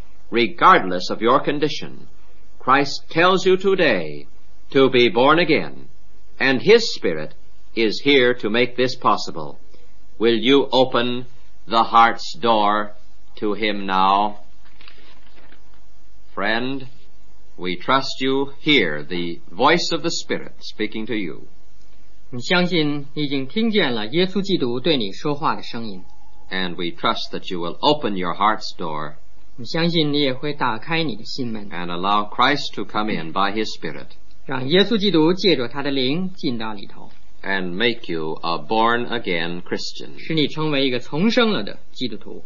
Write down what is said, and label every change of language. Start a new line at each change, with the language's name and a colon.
English: Regardless of your condition, Christ tells you today to be born again, and His Spirit is here to make this possible. Will you open the heart's door to Him now? Friend, we trust you hear the voice of the Spirit speaking to you.
Chinese: 你相信你已经听见了耶稣基督对你说话的声音。
English: And we trust that you will open your heart's door.
Chinese: 你相信你也会打开你的心门。
English: And allow Christ to come in by His Spirit.
Chinese: 让耶稣基督借着他的灵进到里头。
English: And make you a born again Christian.
Chinese: 使你成为一个重生了的基督徒。